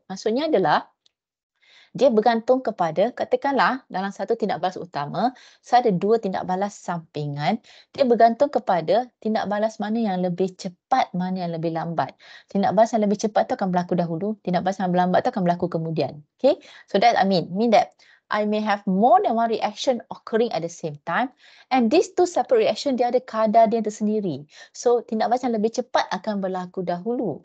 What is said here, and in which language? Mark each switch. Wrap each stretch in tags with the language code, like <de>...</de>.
<ms>Maksudnya adalah, dia bergantung kepada, katakanlah dalam satu tindak balas utama, saya ada dua tindak balas sampingan. Dia bergantung kepada tindak balas mana yang lebih cepat, mana yang lebih lambat. Tindak balas yang lebih cepat tu akan berlaku dahulu. Tindak balas yang lambat tu akan berlaku kemudian. Okay?</ms> <en>So that mean that I may have more than one reaction occurring at the same time. And these two separate reaction,</en> <ms>dia ada kadar dia tersendiri. So, tindak balas yang lebih cepat akan berlaku dahulu.</ms>